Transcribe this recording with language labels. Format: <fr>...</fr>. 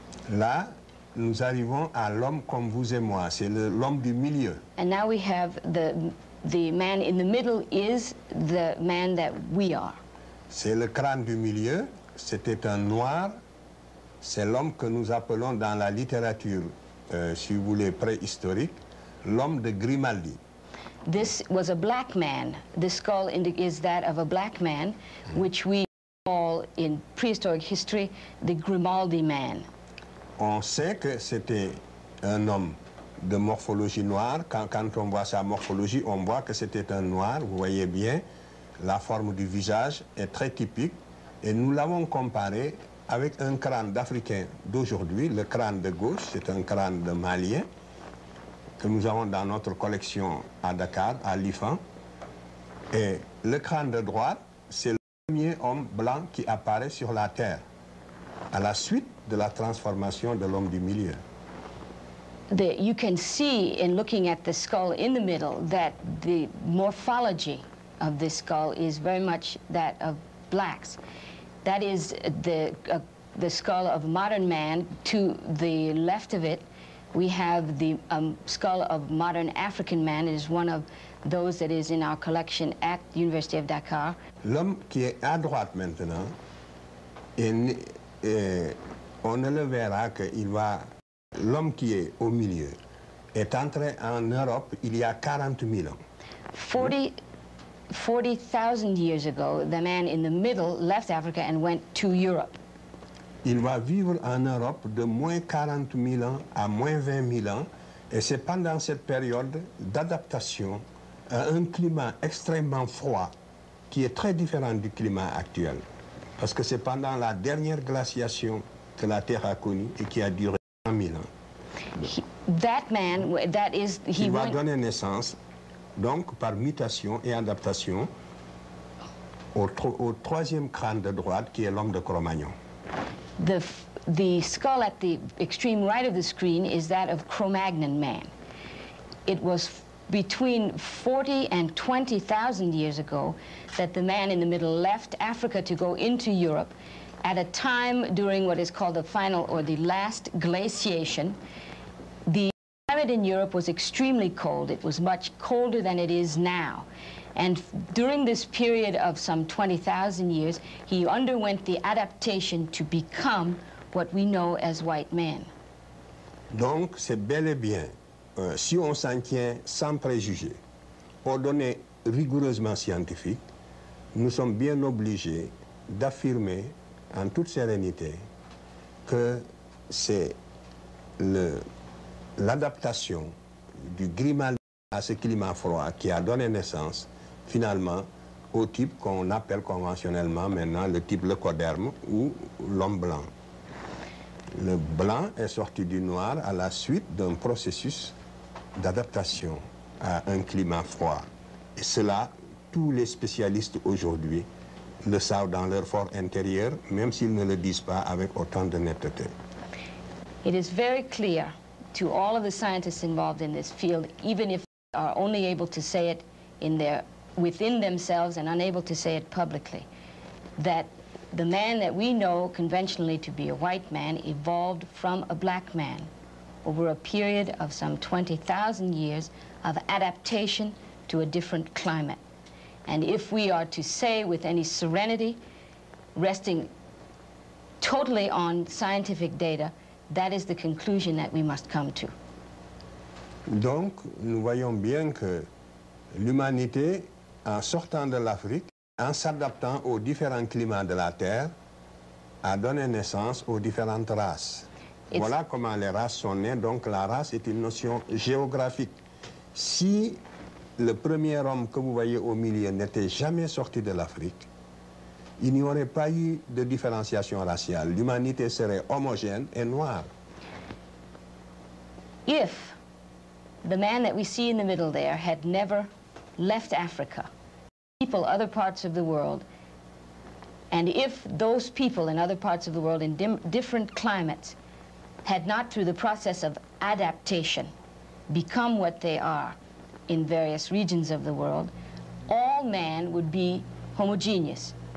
<fr>Là, nous arrivons à l'homme comme vous et moi. C'est l'homme du milieu.</fr> <en>And now we have the man in the middle is the man that we are.</en> <fr>C'est le crâne du milieu. C'était un noir. C'est l'homme que nous appelons dans la littérature, si vous voulez, préhistorique, l'homme de Grimaldi.</fr> <en>This was a black man. This skull is that of a black man, which we call in prehistoric history the Grimaldi man.</en> <fr>On sait que c'était un homme de morphologie noire. Quand on voit sa morphologie, on voit que c'était un noir. Vous voyez bien, la forme du visage est très typique. Et nous l'avons comparé avec un crâne d'Africain d'aujourd'hui. Le crâne de gauche, c'est un crâne de Malien que nous avons dans notre collection à Dakar, à l'IFAN. Et le crâne de droite, c'est le premier homme blanc qui apparaît sur la Terre à la suite de la transformation de l'homme du milieu.</fr> <en>You can see in looking at the skull in the middle that the morphology of this skull is very much that of blacks. That is the skull of modern man. To the left of it, we have the skull of modern African man. It is one of those that is in our collection at the University of Dakar.</en> <fr>L'homme qui est à droite maintenant, on ne le verra que il va. L'homme qui est au milieu est entré en Europe il y a 40 000 ans.</fr> <en>40,000 years ago, the man in the middle left Africa and went to Europe.</en> <fr>Il va vivre en Europe de moins 40 000 ans à moins 20 000 ans, et c'est pendant cette période d'adaptation à un climat extrêmement froid qui est très différent du climat actuel, parce que c'est pendant la dernière glaciation que la Terre a connue et qui a duré 100 000 ans. Donner naissance, donc, par mutation et adaptation, au troisième crâne de droite, qui est l'homme de Cro-Magnon.</fr> <en>The skull at the extreme right of the screen is that of Cro-Magnon man. It was between 40 and 20,000 years ago that the man in the middle left Africa to go into Europe at a time during what is called the final or the last glaciation. The climate in Europe was extremely cold. It was much colder than it is now. And during this period of some 20,000 years, he underwent the adaptation to become what we know as white men.</en> <fr>Donc, c'est bel et bien, si on s'en tient sans préjugés, aux données rigoureusement scientifiques, nous sommes bien obligés d'affirmer en toute sérénité que c'est l'adaptation du Grimaldi à ce climat froid qui a donné naissance finalement au type qu'on appelle conventionnellement maintenant le type leucoderme ou l'homme blanc. Le blanc est sorti du noir à la suite d'un processus d'adaptation à un climat froid. Et cela, tous les spécialistes aujourd'hui le savent dans leur fort intérieur, même s'ils ne le disent pas avec autant de netteté.</fr> <en>It is very clear to all of the scientists involved in this field, even if they are only able to say it in their, within themselves and unable to say it publicly, that the man that we know conventionally to be a white man evolved from a black man over a period of some 20,000 years of adaptation to a different climate. And if we are to say with any serenity, resting totally on scientific data, that is the conclusion that we must come to.</en> <fr>Donc, nous voyons bien que l'humanité, en sortant de l'Afrique, en s'adaptant aux différents climats de la Terre, a donné naissance aux différentes races. Voilà comment les races sont nées. Donc, la race est une notion géographique. Si le premier homme que vous voyez au milieu n'était jamais sorti de l'Afrique, il n'y aurait pas eu de différenciation raciale. L'humanité serait homogène et noire.</fr> <en>If the man that we see in the middle there had never left Africa, people other parts of the world, and if those people in other parts of the world in different climates had not, through the process of adaptation, become what they are in various regions of the world, all man would be homogeneous.</en>